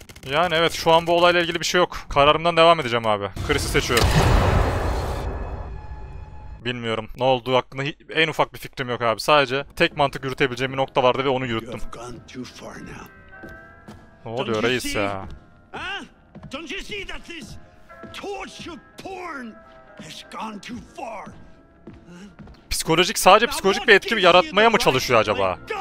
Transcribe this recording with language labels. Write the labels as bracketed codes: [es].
[tr] Yani evet, şu an bu olayla ilgili bir şey yok. Kararımdan devam edeceğim abi. Chris'i seçiyorum. Bilmiyorum. Ne olduğu hakkında en ufak bir fikrim yok abi. Sadece tek mantık yürütebileceğim bir nokta vardı ve onu yürüttüm. Ne oluyor reis ya? [en] Don't you see that this torture porn has gone too far? [tr] Psikolojik, sadece psikolojik bir etki yaratmaya mı çalışıyor acaba?